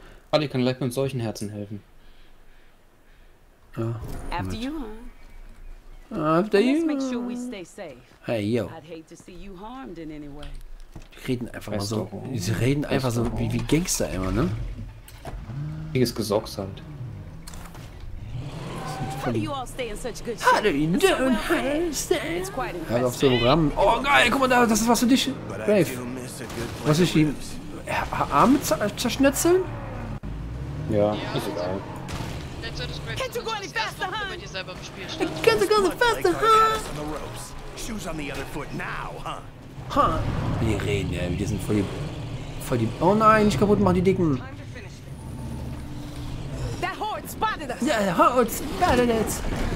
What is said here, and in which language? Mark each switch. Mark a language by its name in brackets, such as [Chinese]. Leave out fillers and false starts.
[German] Ali kann gleich mit solchen Herzen helfen. Ja. [English] After you, huh? After you? Let's make sure we stay safe. Hey, yo. I'd hate to see you harmed in any way. [German] Die reden einfach mal so. Sie reden einfach so wie Gangster immer, ne? Wieges Gesocks halt. [English] How do you all stay in such good shape? [German] Hör auf zu rammen. Oh geil, guck mal da, das ist was für dich. Brave. Muss ich ihm Arme zerschnetzeln? Ja, ist egal. [English] Can't you go any faster, huh? Shoes on the other foot now, huh? Huh? [German] Wir reden, ey, wir sind voll die. Oh nein, nicht kaputt machen die Dicken. Ja, der Horde spottet uns! Ja,